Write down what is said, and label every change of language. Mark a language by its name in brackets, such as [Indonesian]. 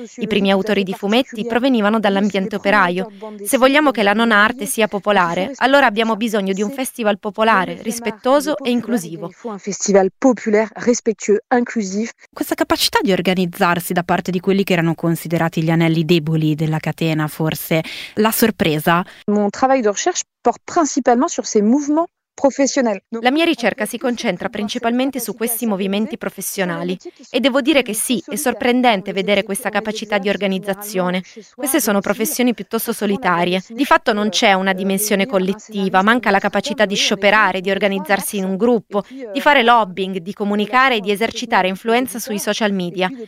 [Italian] I primi autori di fumetti provenivano dall'ambiente operaio. Se vogliamo che la non arte sia popolare, allora abbiamo bisogno di un festival popolare, rispettoso e inclusivo. Un festival popolare, rispettoso, inclusivo. Questa capacità di organizzarsi da parte di quelli che erano considerati gli anelli deboli della catena, forse, la sorpresa. [French] Mon travail de recherche porte principalement sur ces mouvements. [Italian] La mia ricerca si concentra principalmente su questi movimenti professionali e devo dire che sì, è sorprendente vedere questa capacità di organizzazione. Queste sono professioni piuttosto solitarie. Di fatto non c'è una dimensione collettiva, manca la capacità di scioperare, di organizzarsi in un gruppo, di fare lobbying, di comunicare e di esercitare influenza sui social media.